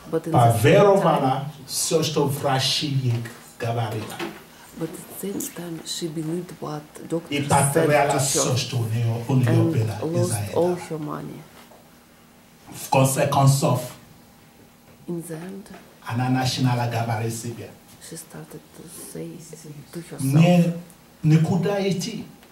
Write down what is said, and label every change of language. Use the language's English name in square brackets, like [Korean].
[Russian] Поверовала, все, что врачи ей говорили. [English] But at the same time, she believed what doctors [Russian] и потеряла все, что у нее было из-за этого. [English] All her money. [Russian] В конце концов, [English] in the end, [Russian] она начинала говорить себе. [English] She started to say to herself, [Russian] мне никуда идти.